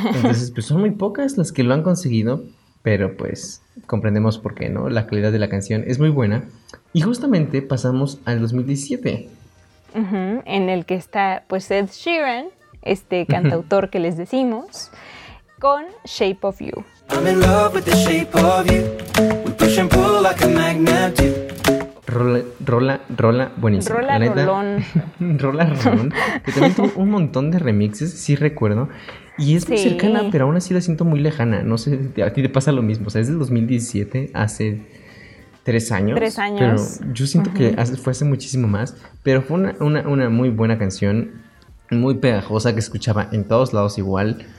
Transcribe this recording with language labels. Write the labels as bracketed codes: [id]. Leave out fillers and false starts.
[es] Entonces, pues son muy pocas las que lo han conseguido, pero pues comprendemos por qué, ¿no? La calidad de la canción es muy buena. Y justamente pasamos al 2017. En el que está pues Ed Sheeran, este cantautor que les decimos, con Shape of You. [en] I'm in love with the shape of you. We push and pull like a magnet do. [es] Rola, buenísimo. Rola Rolón. Que también tuvo un montón de remixes, sí recuerdo. Y es muy cercana, pero aún así la siento muy lejana. No sé, a ti te pasa lo mismo. O sea, es del 2017, hace 3 años. Pero yo siento que fue hace muchísimo más. Pero fue una muy buena canción, muy pegajosa, que escuchaba en todos lados igual.